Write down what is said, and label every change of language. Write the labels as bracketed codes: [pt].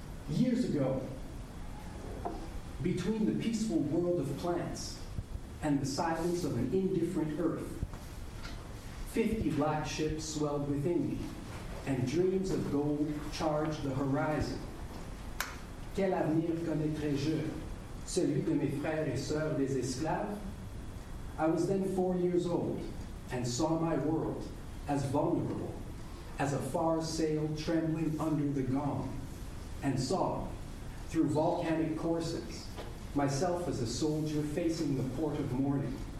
[en] Years ago, between the peaceful world of plants and the silence of an indifferent earth, 50 black ships swelled within me, and dreams of gold charged the horizon. [fr] Quel avenir connaîtrais-je? Celui de mes frères et sœurs des esclaves? [en] I was then 4 years old and saw my world as vulnerable, as a far sail trembling under the gong, and saw, through volcanic courses, myself as a soldier facing the port of morning.